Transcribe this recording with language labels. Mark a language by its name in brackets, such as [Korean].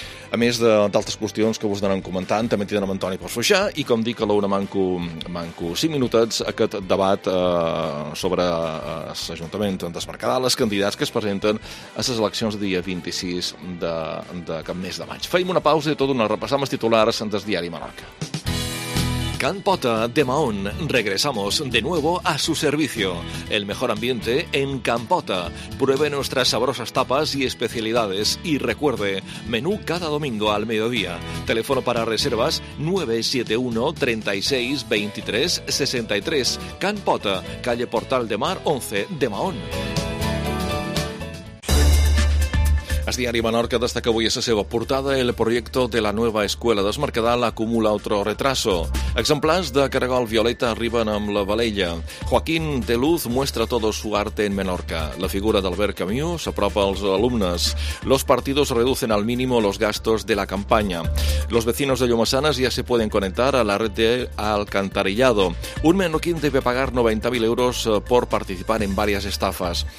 [Catalan] A més d'altres qüestions que vos anem comentant, també tindrem amb Antoni per Foixà, i com dic, a l'una manco 5 minutets aquest debat sobre l'Ajuntament de Mercadal, les candidats que es presenten a les eleccions del dia 26 de cap mes de maig. Feim una pausa i tot una repassam els titulars del diari Menorca. [Spanish] Can Pota de Mahón. Regresamos de nuevo a su servicio. El mejor ambiente en Can Pota. Pruebe nuestras sabrosas tapas y especialidades. Y recuerde, menú cada domingo al mediodía. Teléfono para reservas 971-36-23-63. Can Pota, calle Portal de Mar 11 de Mahón. [Catalan] El diari Menorca destaca avui a la seva portada el projecte de la nova escola del Mercadal acumula [Spanish] otro retraso. [Catalan] Exemplars de Caragol Violeta arriben amb la Valella. [Spanish] Joaquín de Luz muestra todo su arte en Menorca. [Catalan] La figura d'Albert Camus s'apropa als alumnes. [Spanish] Los partidos reducen al mínimo los gastos de la campaña. Los vecinos de Llumasanas ya se pueden conectar a la red de alcantarillado. Un menorquín debe pagar 90.000 euros por participar en varias estafas.